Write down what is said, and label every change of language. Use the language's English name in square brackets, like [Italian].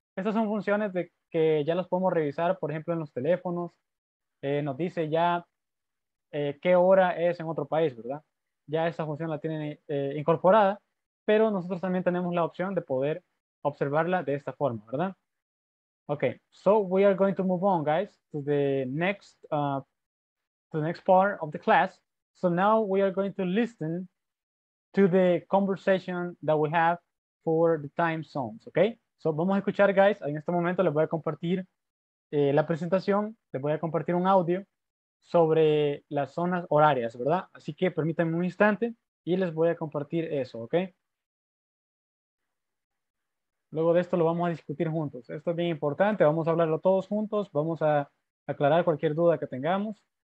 [Spanish] Estas son funciones de que ya las podemos revisar, por ejemplo, en los teléfonos. Nos dice ya qué hora es en otro país, ¿verdad? Ya esa función la tienen incorporada, pero nosotros también tenemos la opción de poder observarla de esta forma, ¿verdad? [English] Ok, so we are going to move on, guys, to the next part of the class. So now we are going to listen to the conversation that we have for the time zones, ok? [Spanish] So vamos a escuchar, guys, en este momento les voy a compartir la presentación, les voy a compartir un audio sobre las zonas horarias, ¿verdad? Así que permítanme un instante y les voy a compartir eso, ok? Luego de esto lo vamos a discutir juntos. Esto es bien importante, vamos a hablarlo todos juntos, vamos a aclarar cualquier duda que tengamos.